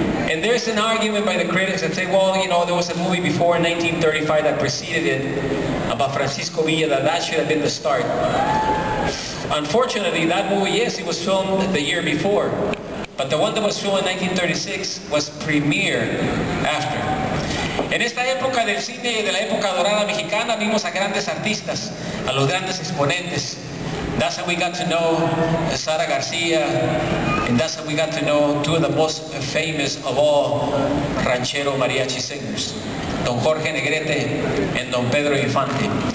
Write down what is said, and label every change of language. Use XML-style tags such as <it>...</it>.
<en>And there's an argument by the critics that say, well, you know, there was a movie before in 1935 that preceded it about Francisco Villa, that should have been the start. Unfortunately, that movie, yes, it was filmed the year before, but the one that was filmed in 1936 was premiered after.</en> <es>En esta época del cine, de la época dorada mexicana, vimos a grandes artistas, a los grandes exponentes.</es> <en>That's how we got to know Sara García, and that's how we got to know two of the most famous of all ranchero mariachi singers, Don Jorge Negrete and Don Pedro Infante.</en>